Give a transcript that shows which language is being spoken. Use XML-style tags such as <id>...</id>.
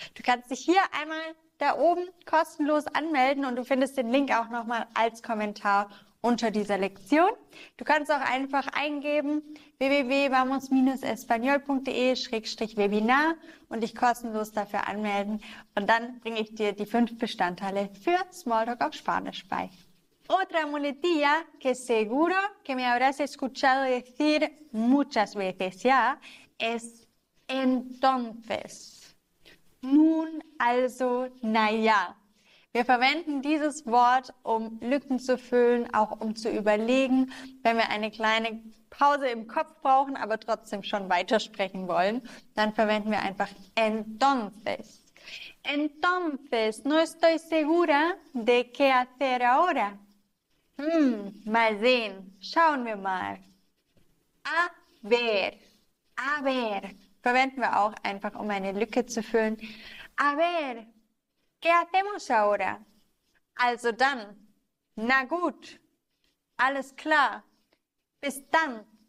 <de>Du kannst dich hier einmal da oben kostenlos anmelden und du findest den Link auch nochmal als Kommentar unter dieser Lektion. Du kannst auch einfach eingeben www.vamos-espanol.de/webinar und dich kostenlos dafür anmelden. Und dann bringe ich dir die 5 Bestandteile für Smalltalk auf Spanisch bei.</de> <es>Otra muletilla que seguro que me habrás escuchado decir muchas veces ya es entonces.</es> <de>Nun, also, naja. Wir verwenden dieses Wort, um Lücken zu füllen, auch um zu überlegen, wenn wir eine kleine Pause im Kopf brauchen, aber trotzdem schon weitersprechen wollen, dann verwenden wir einfach entonces.</de> <es>Entonces, no estoy segura de qué hacer ahora.</es> <de>Mal sehen. Schauen wir mal. A ver, verwenden wir auch einfach, um eine Lücke zu füllen. A ver, ¿qué hacemos ahora? Also dann, na gut, alles klar, bis dann.</de>